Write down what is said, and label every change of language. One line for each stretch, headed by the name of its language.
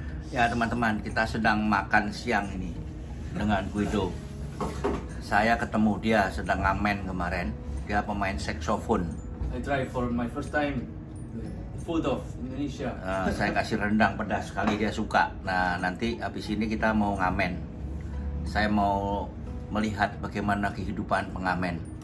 Indonesian: Ya teman-teman, kita sedang makan siang ini dengan Guido. Saya ketemu dia sedang ngamen kemarin. Dia pemain saksofon.
English: I try for my first time food of Indonesia.
Indonesian: Saya kasih rendang pedas sekali, dia suka. Nah, nanti habis ini kita mau ngamen. Saya mau melihat bagaimana kehidupan pengamen.